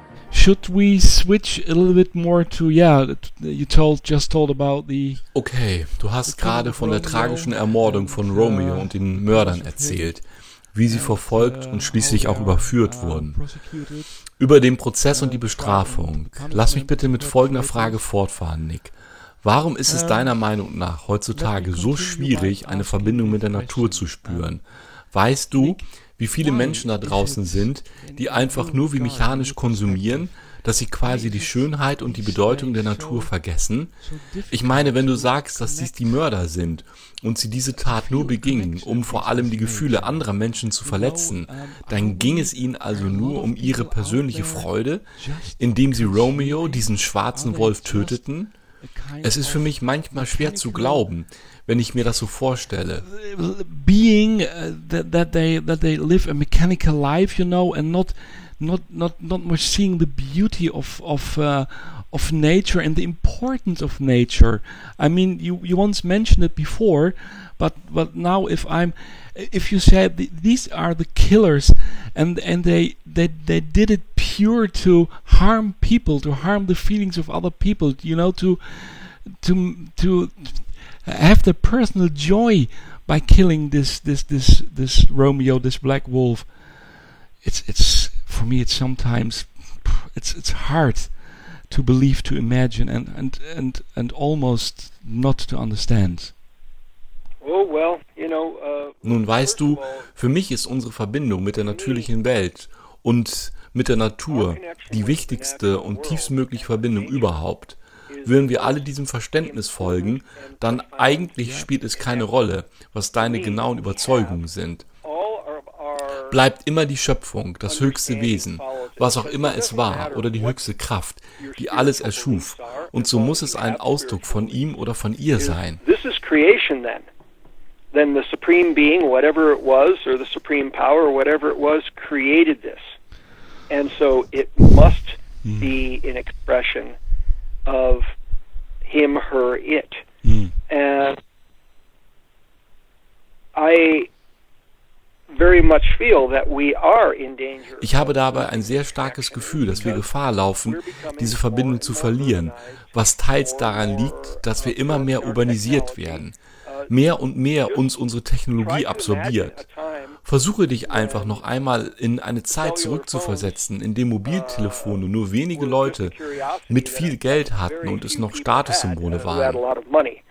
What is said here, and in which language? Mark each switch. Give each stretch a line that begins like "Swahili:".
English: Should we switch a little bit more to, you just told about the...
German: Okay, du hast gerade von der tragischen Ermordung von Romeo und den Mördern erzählt, wie sie verfolgt und schließlich auch überführt wurden. Über den Prozess und die Bestrafung. Lass mich bitte mit folgender Frage fortfahren, Nick. Warum ist es deiner Meinung nach heutzutage so schwierig, eine Verbindung mit der Natur zu spüren? Weißt du, wie viele Menschen da draußen sind, die einfach nur wie mechanisch konsumieren, dass sie quasi die Schönheit und die Bedeutung der Natur vergessen? Ich meine, wenn du sagst, dass dies die Mörder sind und sie diese Tat nur begingen, um vor allem die Gefühle anderer Menschen zu verletzen, dann ging es ihnen also nur um ihre persönliche Freude, indem sie Romeo, diesen schwarzen Wolf, töteten? Es ist für mich manchmal schwer zu glauben, wenn ich mir das so vorstelle.
English: Being that they live a mechanical life, you know, and not much seeing the beauty of nature and the importance of nature. I mean, you once mentioned it before, but now if you said these are the killers and they did it pure to harm people, to harm the feelings of other people, you know, to have the personal joy by killing this Romeo, this black wolf. It's for me, it's sometimes it's hard to believe, to imagine, and almost not to understand. Oh well, you know.
German: Nun weißt du, für mich ist unsere Verbindung mit der natürlichen Welt und mit der Natur die wichtigste und tiefstmögliche Verbindung überhaupt. Würden wir alle diesem Verständnis folgen, dann eigentlich spielt es keine Rolle, was deine genauen Überzeugungen sind. Bleibt immer die Schöpfung, das höchste Wesen, was auch immer es war, oder die höchste Kraft, die alles erschuf, und so muss es ein Ausdruck von ihm oder von ihr sein.
English: This is creation then. Then the supreme being, whatever it was, or the supreme power, whatever it was, created this. And so it must be an expression of him, her, it. And I very much feel that we are in danger.
German: Ich habe dabei ein sehr starkes Gefühl, dass wir Gefahr laufen, diese Verbindung zu verlieren, was teils daran liegt, dass wir immer mehr urbanisiert werden, mehr und mehr uns unsere Technologie absorbiert. Versuche dich einfach noch einmal in eine Zeit zurückzuversetzen, in dem Mobiltelefone nur wenige Leute mit viel Geld hatten und es noch Statussymbole waren.